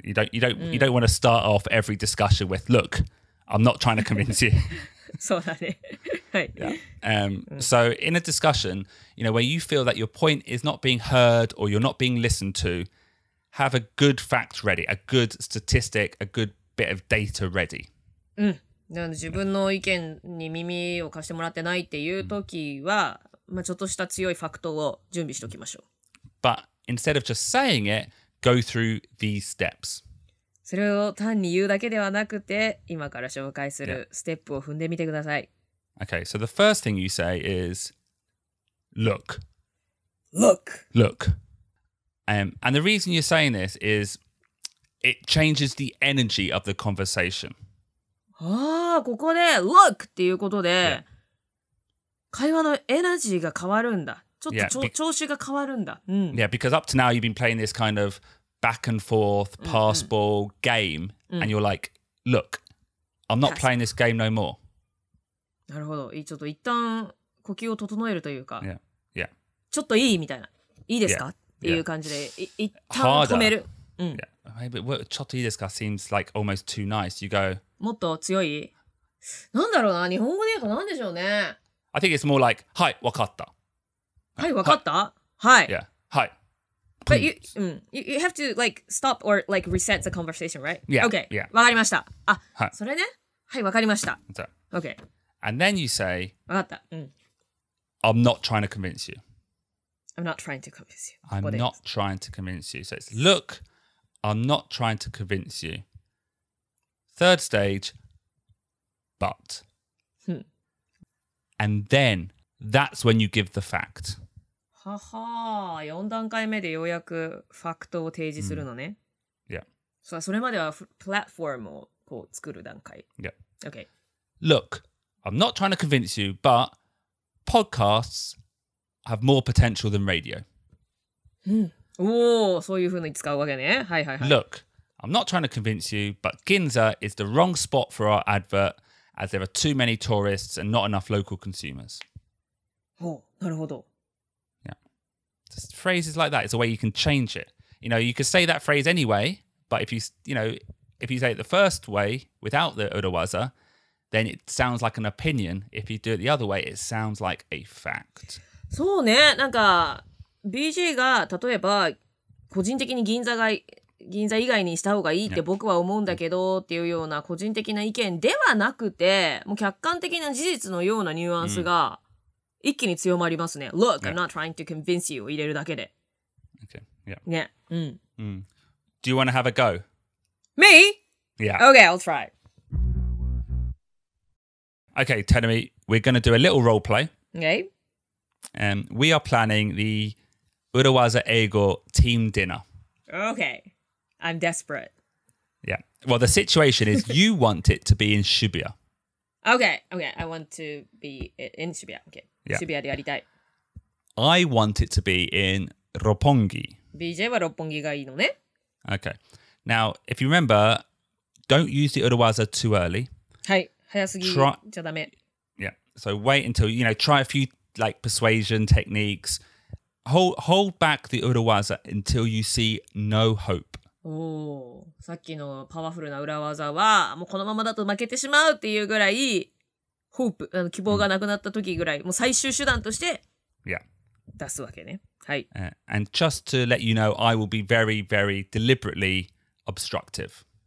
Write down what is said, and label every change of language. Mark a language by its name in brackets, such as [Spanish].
[English] Yeah, you don't want to start off every discussion with, look, I'm not trying to convince you. [Japanese] そうだね。 [English] So in a discussion, you know, where you feel that your point is not being heard or you're not being listened to, have a good fact ready, a good statistic, a good bit of data ready. [Japanese] なので自分の意見に耳を貸してもらってないっていう時は、まあちょっとした強いファクトを準備しておきましょう。 [English] But instead of just saying it, go through these steps. [Japanese] それを単に言うだけではなくて、今から紹介するステップを踏んでみてください。 [English] Yeah. Okay, so the first thing you say is, look. Look. Look. And the reason you're saying this is, it changes the energy of the conversation. [Japanese] ああ、ここで look っていうことで、yeah. 会話のエナジーが変わるんだ。ちょっと yeah, be- 調子が変わるんだ。うん、 [English] yeah, because up to now you've been playing this kind of,back and forth, pass ball, game, and you're like, look, I'm not playing this game no more. [Japanese] なるほど。ちょっと一旦呼吸を整えるというか、 [English] yeah. Yeah. [Japanese] ちょっといいみたいな。いいですか、yeah. っていう感じで、yeah. 一旦止める。 [English] うん、yeah. Maybe, [Japanese] ちょっといいですか [English] seems like almost too nice. You go, [Japanese] もっと強い？なんだろうな、日本語で言うと何でしょうね。 [English] I think it's more like, [Japanese] はい、わかった。はい、わかった？はい。 [English] Yeah. はい。 But you have to like stop or like reset the conversation, right? Yeah. Okay. Yeah. [Japanese] わかりました。あ、はい、それね。はい、わかりました。Okay. [English] And then you say, [Japanese] わかった。うん。 [English] I'm not trying to convince you. I'm not trying to convince you. I'm not trying to convince you. So it's look, I'm not trying to convince you. Third stage, but. And then that's when you give the fact. [Japanese] はは、四段階目でようやくファクトを提示するのね。 [English] Yeah. [Japanese] それまではプラットフォームをこう作る段階。 [English] Yeah. Okay. Look, I'm not trying to convince you, but podcasts have more potential than radio. [Japanese] おお、そういうふうに使うわけね。はいはいはい。 [English] Look, I'm not trying to convince you, but Ginza is the wrong spot for our advert, as there are too many tourists and not enough local consumers. [Japanese] おお、なるほど。 [English] Just phrases like that, it's a way you can change it. You know, you could say that phrase anyway, but if you say it the first way without the urawaza, then it sounds like an opinion. If you do it the other way, it sounds like a fact. [Japanese] そうね、なんか BJ が例えば個人的に銀座以外にした方がいいって僕は思うんだけどっていうような個人的な意見ではなくて、もう客観的な事実のようなニュアンスが、うん一気に強まりますね。 [English] Look,、yeah. I'm not trying to convince you [Japanese] を入れるだけで。 [English] Okay, yeah. Yeah, うん。 Do you want to have a go? Me? Yeah. Okay, I'll try. Okay, Tenemi, we're going to do a little role play. Okay. We are planning the 裏技英語 team dinner. Okay. I'm desperate. Yeah. Well, the situation is you want it to be in Shibuya. Okay. I want to be in Shibuya. Okay. Yeah. [Japanese] Shibuya でやりたい。 [English] I want it to be in Roppongi. [Japanese] BJ は Roppongi がいいのね。 [English] Okay. Now, if you remember, don't use the 裏技 too early. [Japanese] はい。早すぎじゃダメ。 [English] Yeah. So wait until, you know, try a few like persuasion techniques. Hold back the 裏技 until you see no hope. [Japanese] おお。さっきのパワフルな裏技は、もうこのままだと負けてしまうっていうぐらい、Hope, 希望がなくなった時ぐらい、もう最終手段として出すわけね。 [English] Yeah. [Japanese] はい。 [English] And just to let you know, I will be very, very deliberately obstructive.